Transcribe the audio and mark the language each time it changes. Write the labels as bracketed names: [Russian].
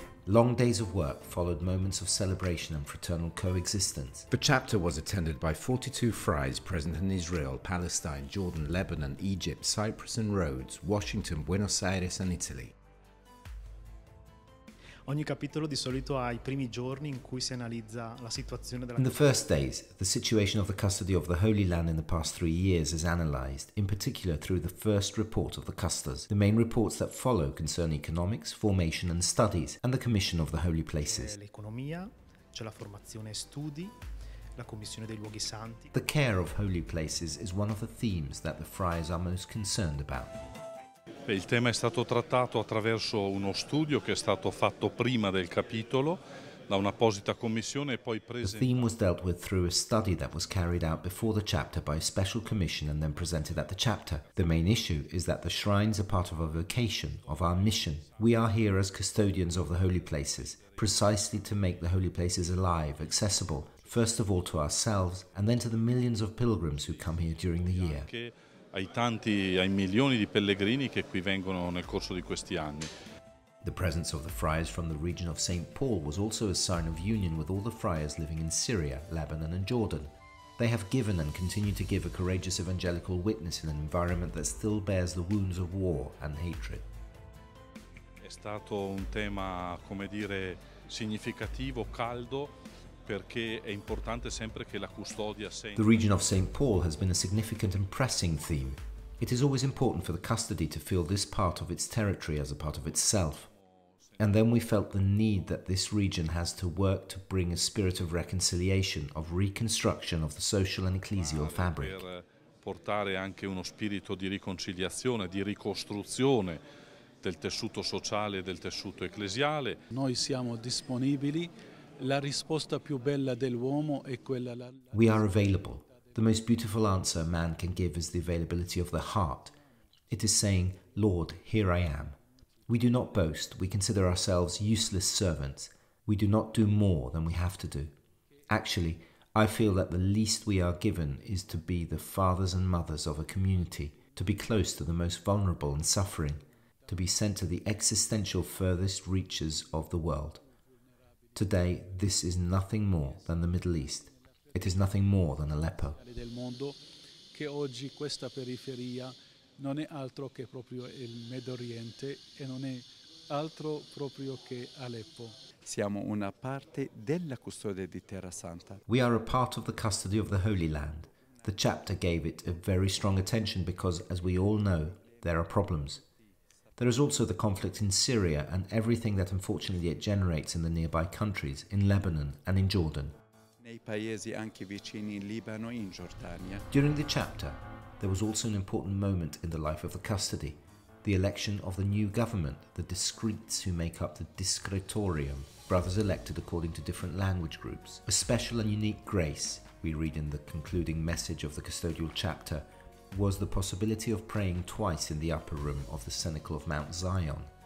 [English] Long days of work followed moments of celebration and fraternal coexistence. The chapter was attended by 42 friars present in Israel, Palestine, Jordan, Lebanon, Egypt, Cyprus and Rhodes, Washington, Buenos Aires and Italy. [Italian] Ogni capitolo di solito ha I primi giorni in cui si analizza la situazione della. [English] In the first days, the situation of the custody of the Holy Land in the past 3 years is analyzed, in particular through the first report of the custos. The main reports that follow concern economics, formation and studies, and the commission of the holy places. [Italian] L'economia, c'è la formazione e studi, la commissione dei luoghi santi. [English] The care of holy places is one of the themes that the friars are most concerned about. [Italian] Il tema è stato trattato attraverso uno studio che è stato fatto prima del capitolo da un'apposita commissione e poi presentato. [English] The theme was dealt with through a study that was carried out before the chapter by a special commission and then presented at the chapter. The main issue is that the shrines are part of our vocation, of our mission. We are here as custodians of the holy places, precisely to make the holy places alive, accessible, first of all to ourselves and then to the millions of pilgrims who come here during the year. [Italian] Ai milioni di pellegrini che qui vengono nel corso di questi anni. [English] The presence of the friars from the region of St. Paul was also a sign of union with all the friars living in Syria, Lebanon and Jordan. They have given and continue to give a courageous evangelical witness in an environment that still bears the wounds of war and hatred. [Italian] È stato un tema, come dire, significativo, caldo. [English] The region of St. Paul has been a significant and pressing theme. It is always important for the custody to feel this part of its territory as a part of itself. And then we felt the need that this region has to work to bring a spirit of reconciliation, of reconstruction of the social and ecclesial fabric. [Italian] Portare anche uno spirito di riconciliazione, di ricostruzione del tessuto sociale e del tessuto ecclesiale. Noi siamo disponibili. La risposta più bella dell'uomo è quella. [English] We are available. The most beautiful answer a man can give is the availability of the heart. It is saying, Lord, here I am. We do not boast. We consider ourselves useless servants. We do not do more than we have to do. Actually, I feel that the least we are given is to be the fathers and mothers of a community, to be close to the most vulnerable and suffering, to be sent to the existential furthest reaches of the world. Today, this is nothing more than the Middle East. It is nothing more than Aleppo. [Italian] Del mondo che oggi questa periferia non è altro che proprio il Medio Oriente e non è altro proprio che Aleppo. Siamo una parte della custodia di Terra Santa. [English] We are a part of the custody of the Holy Land. The chapter gave it a very strong attention because, as we all know, there are problems. There is also the conflict in Syria and everything that unfortunately it generates in the nearby countries, in Lebanon and in Jordan. [Italian] Nei paesi anche vicini in Libano e in Giordania. [English] During the chapter, there was also an important moment in the life of the custody, the election of the new government, the discretes who make up the discretorium, brothers elected according to different language groups. A special and unique grace, we read in the concluding message of the custodial chapter, was the possibility of praying twice in the upper room of the cenacle of Mount Zion.